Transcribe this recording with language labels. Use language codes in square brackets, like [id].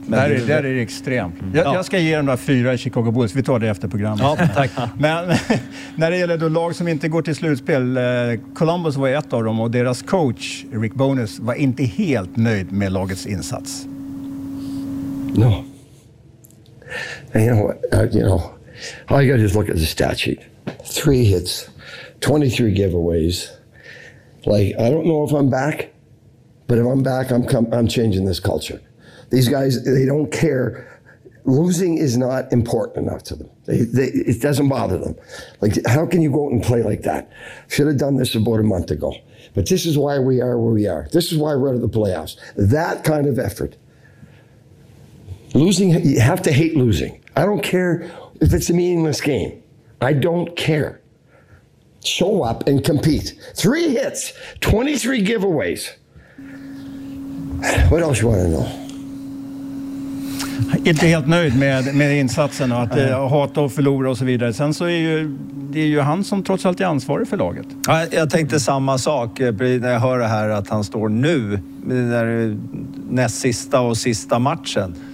[sv] Men där är det extremt. Jag ska ge dem några fyra i Chicago Bulls. Vi tar det efter programmet. Ja, tack. Men när det gäller då lag som inte går till slutspel. Columbus var ett av dem och deras coach Rick Bowness var inte helt nöjd med lagets insats. [en] No. You know what? You know, all you got to do is look at the stat sheet. 3 hits, 23 giveaways. Like, I don't know if I'm back, but if I'm back, I'm changing this culture. These guys, they don't care. Losing is not important enough to them. It doesn't bother them. Like, how can you go out and play like that? Should have done this about a month ago. But this is why we are where we are. This is why we're out of the playoffs. That kind of effort. Losing, you have to hate losing. I don't care if it's a meaningless game. I don't care. Show up and compete. 3 hits, 23 giveaways. What else you want to know? [sv] Inte helt nöjd med insatsen och att hata och förlora och så vidare. Sen så är ju det är ju han som trots allt är ansvarig för laget. Jag tänkte samma sak när jag hör det här att han står nu med den där näst sista och sista matchen.